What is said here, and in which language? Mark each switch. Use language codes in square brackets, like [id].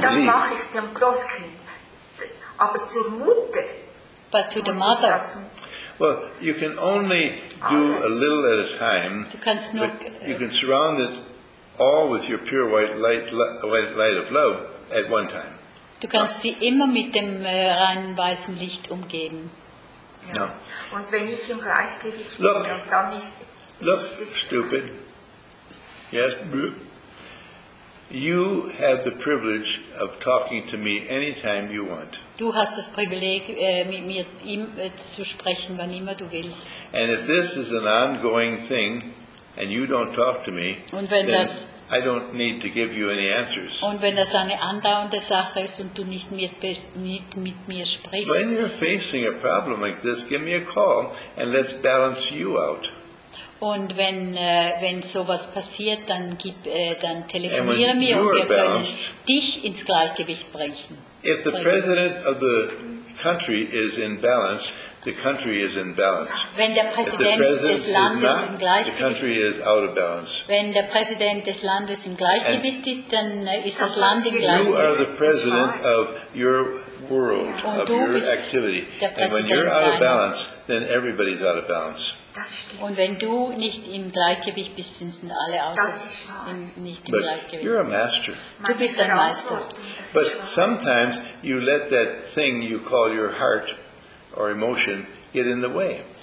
[de] Das mache ich dem Großkind. Aber zur Mutter. [en] But to the mother. Well, you can only do a little at a time. [de] Du kannst nur, [en] you can surround it all with your pure white light of love at one time. [de] Du kannst sie immer mit dem reinen weißen Licht umgeben. Ja. Und wenn ich im Gleichgewicht bin, dann ist es... [en] Look, stupid. Yes, you have the privilege of talking to me anytime you want. [de] Du hast das Privileg, mit mir zu sprechen, wann immer du willst. [en] And if this is an ongoing thing, and you don't talk to me, [de] und wenn das [en] I don't need to give you any answers. [de] Und wenn das eine andauernde Sache ist und du nicht mit mir sprichst. [en] When you're facing a problem like this, give me a call and let's balance you out. [de] Und wenn sowas passiert, dann telefoniere mir und wir können dich ins Gleichgewicht bringen. [en] If the president of the country is in balance, the country is in balance. [de] Wenn der Präsident des Landes im Gleichgewicht ist, dann ist das Land im Gleichgewicht. [en] You are the president of your world, [de] und [en] of your activity. And when you're out of balance, then everybody's out of balance. [de] Und wenn du nicht im Gleichgewicht bist, dann sind alle außer nicht im [en] But [de] Gleichgewicht. [en] You're a master. [de] Du bist ein Meister. [en] But sometimes you let that thing you call your heart or emotion get in the way.